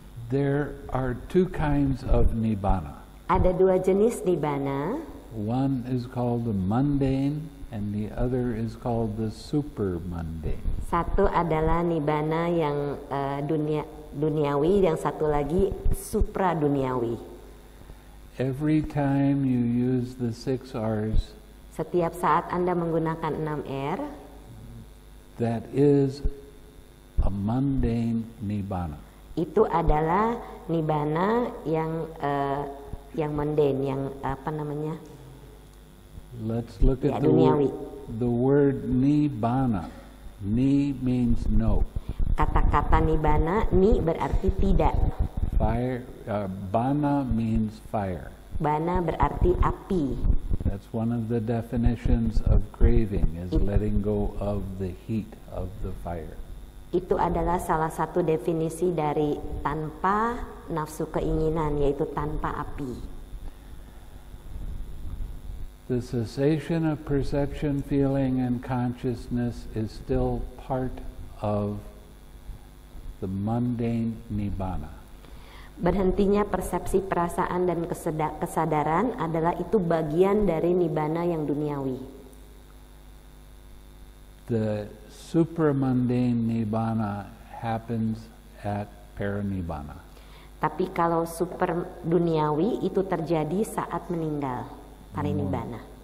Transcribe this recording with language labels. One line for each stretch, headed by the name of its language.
English: There are two kinds of Nibbana.
Indonesian: Ada dua jenis Nibbana.
English: One is called the mundane, and the other is called the super mundane.
Indonesian: Satu adalah Nibbana yang duniawi, yang satu lagi supra duniawi.
English: Every time you use the 6 R's,
Indonesian: setiap saat Anda menggunakan 6 R,
English: that is a mundane Nibbana.
Indonesian: Itu adalah Nibbana yang mundane, yang apa namanya?
English: Let's look at the word Nibbana. Ni means no.
Indonesian: Kata-kata Nibbana, ni berarti tidak.
English: Fire, bana means fire.
Indonesian: Bana berarti api.
English: That's one of the definitions of craving, is letting go of the heat of the fire.
Indonesian: Itu adalah salah satu definisi dari tanpa nafsu keinginan, yaitu tanpa api.
English: The cessation of perception, feeling, and consciousness is still part of the mundane Nibbana.
Indonesian: Berhentinya persepsi, perasaan, dan kesadaran adalah itu bagian dari Nibbana yang duniawi.
English: The supramundane Nibbana happens at Parinibbana.
Indonesian: Tapi kalau super duniawi itu terjadi saat meninggal, Parinibbana.